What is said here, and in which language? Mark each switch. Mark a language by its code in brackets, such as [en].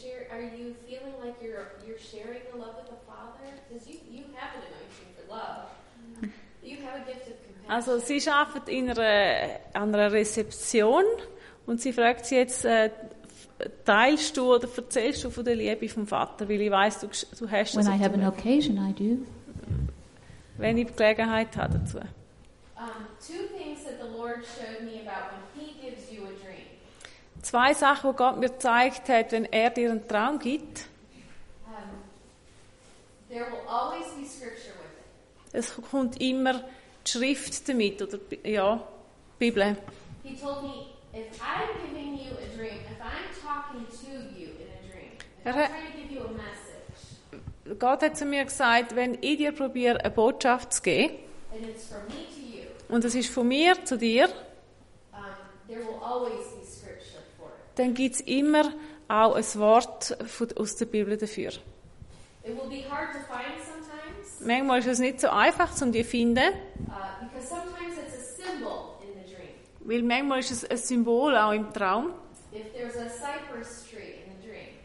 [en] Are you feeling like you're sharing the love with the Father? Because you have an anointing for love. You have a gift of compassion. [de] Also sie arbeitet in einer Rezeption und sie fragt sie jetzt, teilst du oder erzählst du von der Liebe vom Vater? Weil ich weiss, du hast [en] When das. I have an occasion, I do. [de] Wenn ich die Gelegenheit habe dazu. [en] Two things that the Lord showed me about when he gives you a dream. [de] Zwei Sachen, die Gott mir gezeigt hat, wenn er dir einen Traum gibt. [en] There will always be scripture with it. [de] Es kommt immer die Schrift damit, oder ja, die Bibel. [en] He told me, if I'm giving you a dream, if I'm talking to you in a dream, if I'm trying to give you a message, [de] Gott hat zu mir gesagt, wenn ich dir probiere, eine Botschaft zu geben, [en] and it's from me to you, [de] und es ist von mir zu dir, [en] there will always be scripture for it. [de] Dann gibt es immer auch ein Wort aus der Bibel dafür. [en] It will be hard to find sometimes. [de] Manchmal ist es nicht so einfach, um die zu finden. [en] Because sometimes it's a symbol. [de] Weil manchmal ist es ein Symbol auch im Traum. [en] If there's a cypress tree in the dream,